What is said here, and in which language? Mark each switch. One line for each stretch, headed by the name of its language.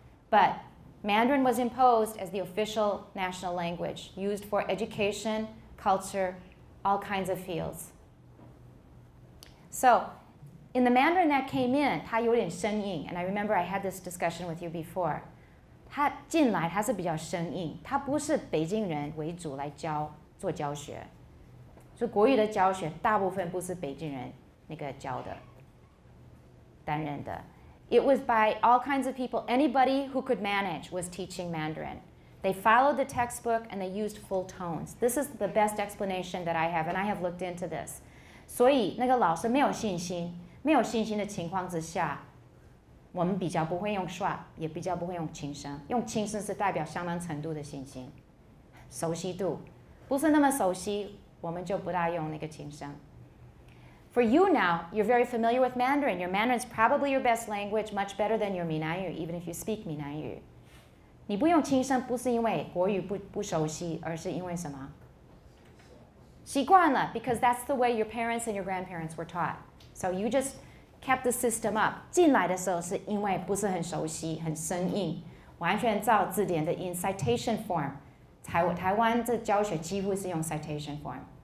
English: But Mandarin was imposed as the official national language, used for education, culture, all kinds of fields. So, in the Mandarin that came in,
Chinese: 它有点生硬
English: ，and I remember I had this discussion with you before.
Chinese: 它进来它是比较生硬，它不是北京人为主来教做教学，所以国语的教学大部分不是北京人那个教的。担任的
English: It was by all kinds of people. Anybody who could manage was teaching Mandarin. They followed the textbook and they used full tones. This is the best explanation that I have, and I have looked into this.
Chinese: 所以那个老师没有信心，没有信心的情况之下，我们比较不会用 schwa， 也比较不会用轻声。用轻声是代表相当程度的信心，熟悉度。不是那么熟悉，我们就不大用那个轻声。
English: For you now, you're very familiar with Mandarin. Your Mandarin is probably your best language, much better than your 闽南语, even if you speak 闽南语.
Chinese: 你不用轻声不是因为国语不熟悉,而是因为什么? 习惯了,
English: because that's the way your parents and your grandparents were taught. So you just kept the system up.
Chinese: 进来的时候是因为不是很熟悉,很生硬,完全照字典的
English: in citation form.
Chinese: 台湾的教学几乎是用 citation form.